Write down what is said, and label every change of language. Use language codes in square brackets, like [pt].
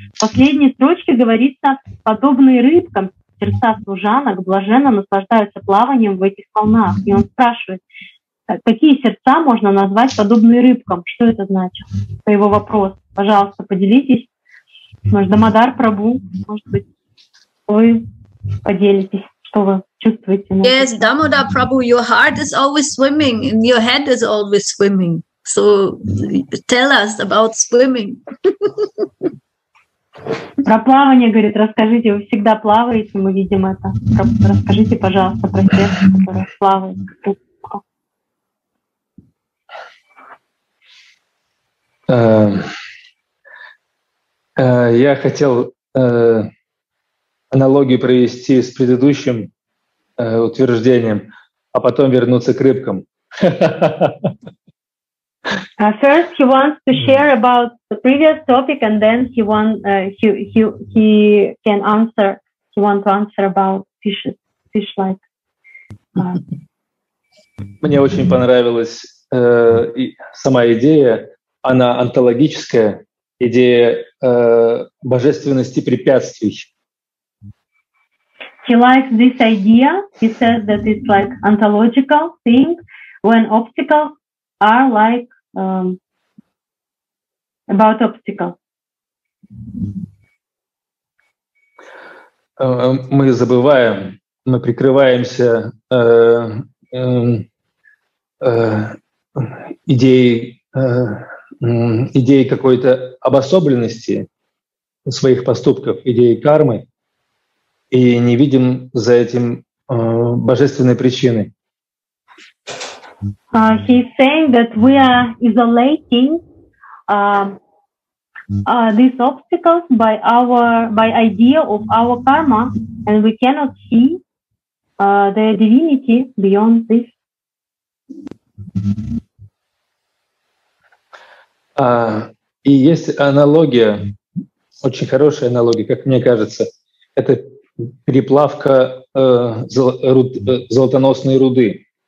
[ru] В последней строчке говорится, подобные рыбкам сердца служанок блаженно наслаждаются плаванием в этих волнах. И он спрашивает, какие сердца можно назвать подобные рыбкам? Что это значит? Это его вопрос. Пожалуйста, поделитесь. Может, Дамодар Прабху, может быть, вы поделитесь, что вы чувствуете. [en] Yes, Дамодар Прабху, your heart is always swimming and your head is always swimming. So tell us about swimming. [ru] Про плавание, говорит, расскажите. Вы всегда плаваете, мы видим это. Расскажите, пожалуйста, про сердце, которое плавает. Я хотел аналогию провести с предыдущим утверждением, а потом вернуться к рыбкам. [en] First he wants to share about the previous topic, and then he want he can answer. He wants to answer about fish-like. [ru] Мне очень понравилась сама идея. она онтологическая, идея божественности препятствий. [en] He likes this idea. He says that it's like ontological thing when obstacles are like about obstacles. [ru] Мы забываем, мы прикрываемся идеей какой-то обособленности своих поступков, идеей кармы, и не видим за этим божественной причины. [en] He's saying that we are isolating these obstacles by idea of our karma, and we cannot see the divinity beyond this. [ru] И есть аналогия, очень хорошая аналогия, как мне кажется, это переплавка золотоносной руды.